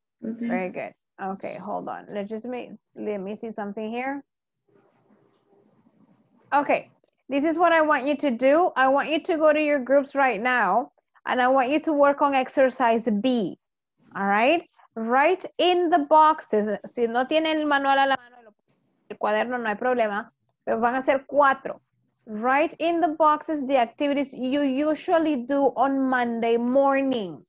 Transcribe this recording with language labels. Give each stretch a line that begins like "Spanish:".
English: Mm-hmm. Very good. Okay, hold on. Let me see something here. Okay, this is what I want you to do. I want you to go to your groups right now, and I want you to work on exercise B, all right? Write in the boxes.
Spanish: Si no tienen el manual a la mano, el cuaderno, no hay problema. Pero van a ser cuatro.
English: Write in the boxes the activities you usually do on Monday morning.